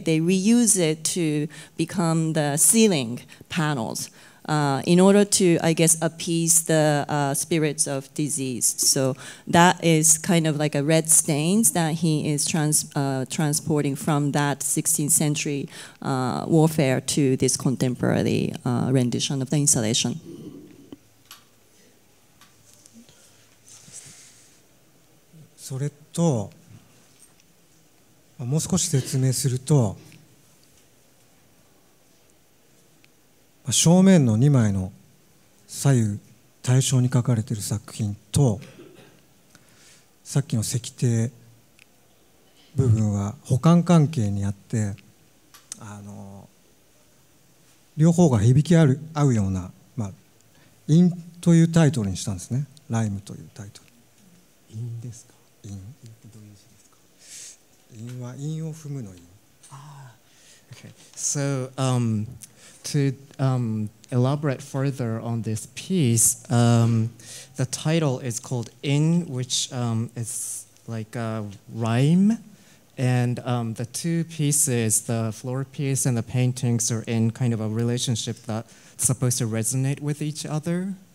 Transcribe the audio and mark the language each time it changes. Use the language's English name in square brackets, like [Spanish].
[English] They reused it to become the ceiling panels in order to, I guess, appease the spirits of disease. So that is kind of like a red stains that he is transporting from that 16th century warfare to this contemporary rendition of the installation. [Japanese] それと、もう少し説明すると、正面の2枚の左右対称に描かれている作品とさっきの石庭部分は補完関係にあって両方が響き合うような「陰、まあ」というタイトルにしたんですね「ライム」というタイトル。陰ですか。陰ってどういう字ですか。陰は陰を踏むの陰。 [English] To elaborate further on this piece, the title is called In, which is like a rhyme. And the two pieces, the floor piece and the paintings, are in kind of a relationship that's supposed to resonate with each other.